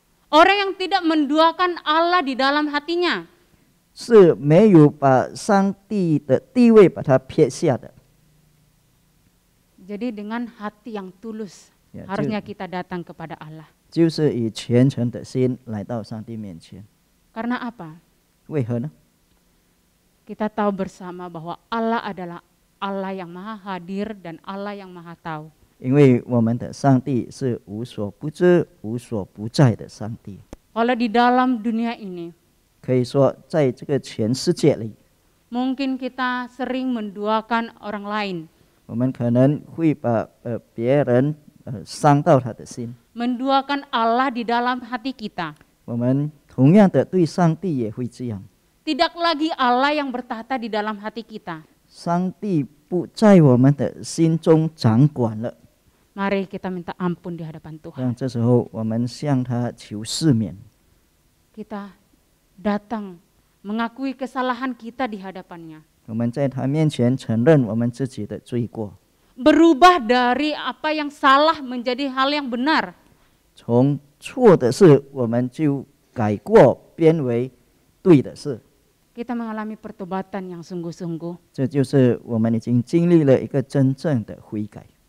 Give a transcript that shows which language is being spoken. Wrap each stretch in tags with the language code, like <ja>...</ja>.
<id>Orang yang tidak menduakan Allah di dalam hatinya.</id> <zh>是没有把上帝的地位把它撇下的。</zh> <id>Jadi dengan hati yang tulus, ya, harusnya kita datang kepada Allah.</id> <zh>就是以虔诚的心来到上帝面前。</zh> <id>Karena apa?</id> <zh>为何呢？</zh> <id>Kita tahu bersama bahwa Allah adalah Allah yang maha hadir dan Allah yang maha tahu.</id> <zh>因为我们的上帝是无所不知、无所不在的上帝。</zh> <id>Walau di dalam dunia ini,</id> <zh>可以说在这个全世界里，</zh> <id>mungkin kita sering menduakan orang lain.</id> <zh>我们可能会把别人伤到他的心,</zh> <id>门duakan Allah di dalam hati kita.</id> <zh>我们同样的对上帝也会这样,</zh> <id>tidak lagi Allah yang bertahta di dalam hati kita.</id> <zh>上帝不在我们的心中掌管了.</zh> <id>Mari kita minta ampun di hadapan Tuhan.</id> <zh>让这时候我们向他求赦免.</zh> <id>Kita datang mengakui kesalahan kita di hadapannya.</id> <zh>我们在他面前承认我们自己的罪过.</zh> <id>Berubah dari apa yang salah menjadi hal yang benar.</id> <zh>从错的事我们就改过变为对的事.</zh> <id>Kita mengalami pertobatan yang sungguh-sungguh.</id> <zh>这就是我们已经经历了一个真正的悔改.</zh>